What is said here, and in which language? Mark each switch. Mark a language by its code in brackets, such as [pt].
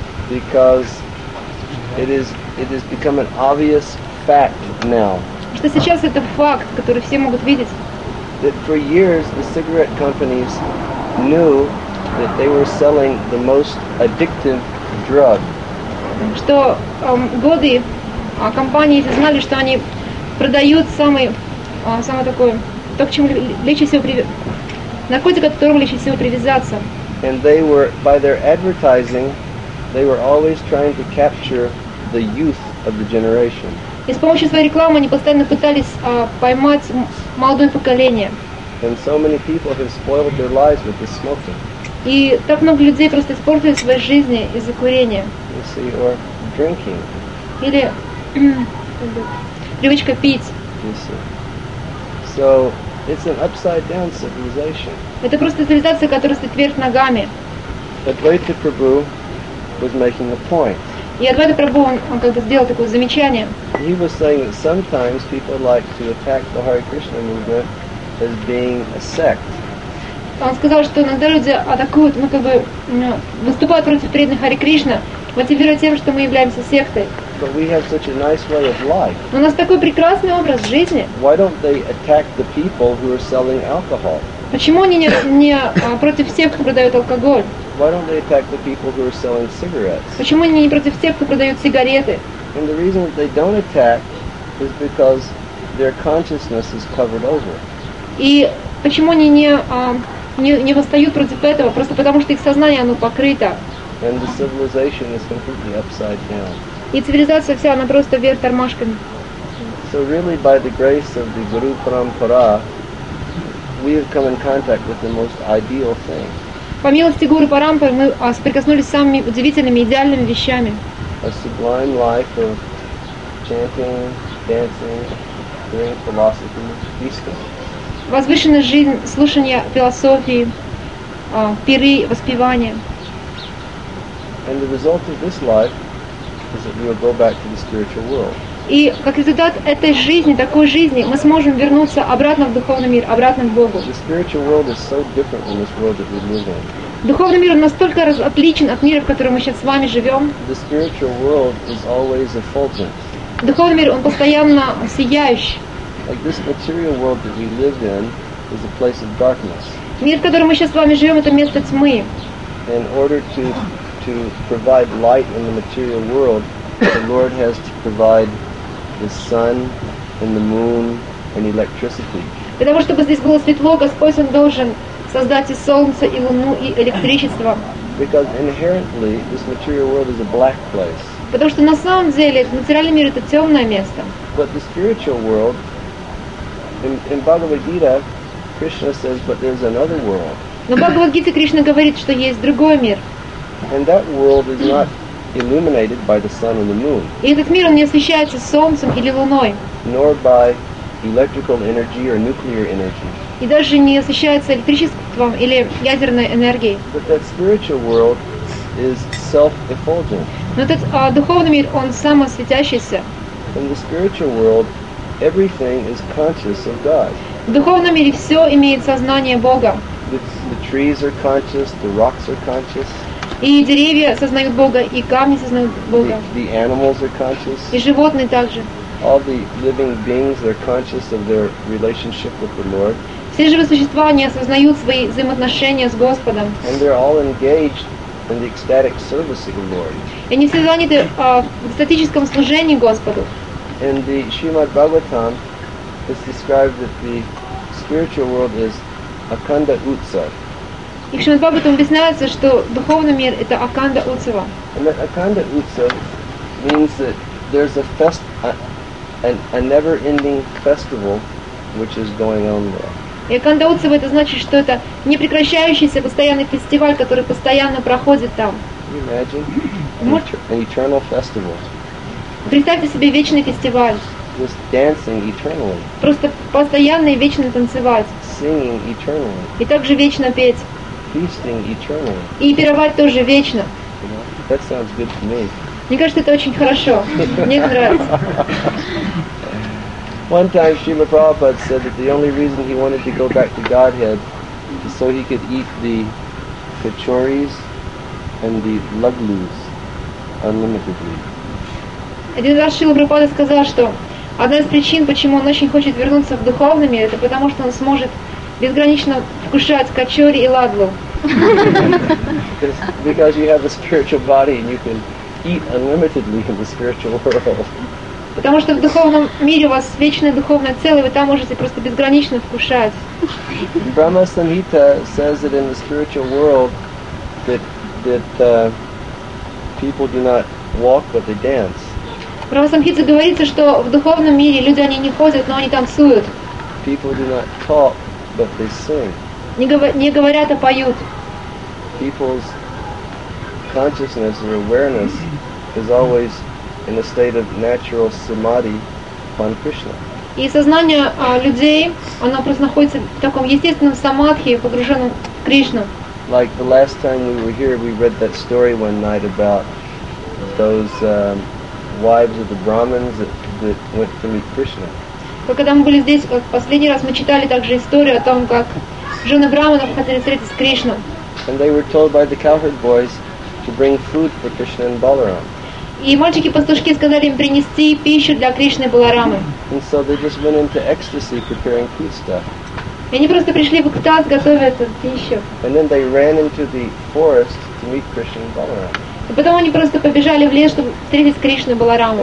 [en] Because it has become an obvious fact now. [ru] Что сейчас это факт, который все могут видеть. [en] That for years the cigarette companies knew that they were selling the most addictive drug. [ru] Что годы компании знали, что они продают самый самое такое то, к чему лечит всего наркотик, от которого лечит всего привязаться. [en] And they were by their advertising, they were always trying to capture the youth of the generation. [ru] И с помощью своей рекламы они постоянно пытались поймать молодое поколение. [en] And so many people have spoiled their lives with this smoking. [ru] И так много людей просто испортили свои жизни из-за курения. [en] You see, or drinking. [ru] Или привычка пить. [en] You see. So it's an upside down civilization. [ru] Это просто цивилизация, которая стоит вверх ногами. [en] Advaita Prabhu was making a point. [ru] И Адвайта Прабху, он как-то сделал такое замечание. [en] He was saying that sometimes people like to attack the Hare Krishna movement as being a sect. [ru] Он сказал, что иногда люди атакуют, ну как бы выступают против преданных Харе Кришна, мотивируя тем, что мы являемся сектой. [en] But we have such a nice way of life. [ru] Но у нас такой прекрасный образ жизни. [en] Why don't they attack the people who are selling alcohol? [ru] Почему они не против всех, кто продает алкоголь? [en] Why don't they attack the people who are selling cigarettes? [ru] Почему они не против тех, кто продает сигареты? [en] And the reason that they don't attack is because their consciousness is covered over. [ru] И почему они не восстают против этого? Просто потому, что их сознание оно покрыто. [en] And the civilization is completely upside down. [ru] И цивилизация вся она просто вверх тормашками. [en] So really, by the grace of the Guru Parampara, we have come in contact with the most ideal thing. [ru] По милости Гуру Парампы мы соприкоснулись с самыми удивительными, идеальными вещами. [en] A sublime life of chanting, dancing, hearing philosophy, feasting. [ru] Возвышенная жизнь, слушание философии, пиры, воспевания. [en] And the result of this life is that we will go back to the spiritual world. [ru] И как результат этой жизни, такой жизни, мы сможем вернуться обратно в духовный мир, обратно к Богу. [en] The spiritual world is so different from this world that we live in. [ru] Духовный мир настолько отличен от мира, в котором мы сейчас с вами живем. [en] The spiritual world is always effulgent. [ru] Духовный мир, он постоянно сияющий. [en] Like this material world that we live in is a place of darkness. [ru] Мир, в котором мы сейчас с вами живем, это место тьмы. [en] In order to provide light in the material world, the Lord has to provide the sun and the moon and electricity. [ru] Для того, чтобы здесь было светло, Господь он должен создать и солнце, и луну, и электричество. [en] Because inherently this material world is a black place. [ru] Потому что на самом деле материальный мир это темное место. [en] But the spiritual world, in Bhagavad Gita, Krishna says, but there's another world. [ru] Но в Бхагавад Гите Кришна говорит, что есть другой мир. [en] And that world is not illuminated by the sun and the moon. [ru] И этот мир он не освещается солнцем или луной. [en] Nor by electrical energy or nuclear energy. [ru] И даже не освещается электричеством или ядерной энергией. [en] But that spiritual world is self-effulgent. [ru] Но этот духовный мир он самосветящийся. [en] In the spiritual world, everything is conscious of God. [ru] В духовном мире все имеет сознание Бога. [en] The trees are conscious. The rocks are conscious. [ru] И деревья сознают Бога, и камни сознают Бога. [en] The animals are conscious. [ru] И животные также. [en] All the living beings are conscious of their relationship with the Lord. [ru] Все живые существа они осознают свои взаимоотношения с Господом. [en] And they're all engaged in the ecstatic service of the Lord. [ru] И они все заняты в экстатическом служении Господу. [en] In the Srimad Bhagavatam, it's described that the spiritual world is akanda utsav. [ru] И Шримад Бхагаватам объясняется, что духовный мир это аканда утсава. [en] And that akanda utsav means that there's a never-ending festival, which is going on there. [ru] И аканда утсава это значит, что это непрекращающийся постоянный фестиваль, который постоянно проходит там. [en] Can you imagine? An eternal festival. [ru] Представьте себе вечный фестиваль. [en] Just dancing eternally. [ru] Просто постоянно и вечно танцевать. [en] Singing eternally. [ru] И также вечно петь. [en] Feasting eternally. [ru] И пировать тоже вечно. [en] You know? That sounds good to me. [ru] Мне кажется, это очень хорошо. Мне это нравится. [en] One time Srila Prabhupada said that the only reason he wanted to go back to Godhead is so he could eat the kachoris and the laglus unlimitedly. [ru] Один раз Шрила Прабхупада сказал, что одна из причин, почему он очень хочет вернуться в духовный мир, это потому что он сможет безгранично вкушать качори и ладлу. [en] Because you have a spiritual body and you can eat unlimitedly in the spiritual world. [ru] Потому что в духовном мире у вас вечное духовное целое, вы там можете просто безгранично вкушать. [en] Brahma Samhita says that in the spiritual world people do not walk, but they dance. [ru] Брахма Самхита говорит, что в духовном мире люди они не ходят, но они танцуют. [en] People do not talk, but they sing. [ru] Не говорят, а поют. [en] People's consciousness or awareness is always in a state of natural samadhi upon Krishna. [ru] И сознание людей, оно просто находится в таком естественном самадхи, погруженном в Кришну. [en] Like the last time we were here, we read that story one night about those wives of the Brahmins that went to meet Krishna. [ru] Когда мы были здесь, как последний раз, мы читали также историю о том, как жены Брахманов хотели встретиться с Кришной. [en] And they were told by the cowherd boys to bring food for Krishna and Balaram. [ru] И мальчики-пастушки сказали им принести пищу для Кришны и Баларамы. [en] And so they just went into ecstasy preparing food stuff. [ru] И они просто пришли в экстаз, готовя эту пищу. [en] And then they ran into the forest to meet Krishna and Balaram. [ru] И потом они просто побежали в лес, чтобы встретить Кришну и Балараму.